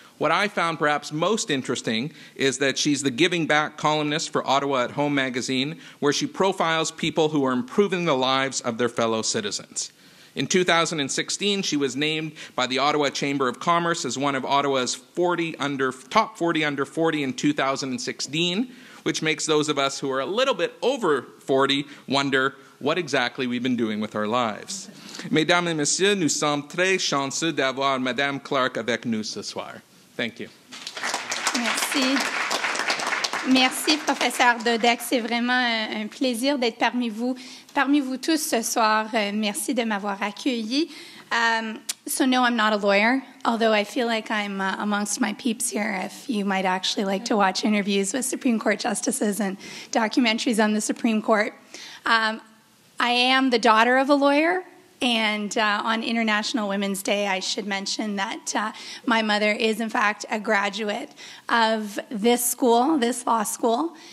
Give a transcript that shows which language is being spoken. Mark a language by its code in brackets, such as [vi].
[en] What I found perhaps most interesting is that she's the Giving Back columnist for Ottawa at Home magazine, where she profiles people who are improving the lives of their fellow citizens. In 2016, she was named by the Ottawa Chamber of Commerce as one of Ottawa's top 40 under 40 in 2016, which makes those of us who are a little bit over 40 wonder what exactly we've been doing with our lives. [fr] Mesdames et messieurs, nous sommes très chanceux d'avoir Madame Clark avec nous ce soir. [en] Thank you. [fr] Merci. Merci, professeur Dodek. C'est vraiment un plaisir d'être parmi vous tous ce soir. Merci de m'avoir accueilli. [en] So no, I'm not a lawyer, although I feel like I'm amongst my peeps here, if you might actually like to watch interviews with Supreme Court justices and documentaries on the Supreme Court. I am the daughter of a lawyer, and on International Women's Day, I should mention that my mother is, in fact, a graduate of this school, this law school.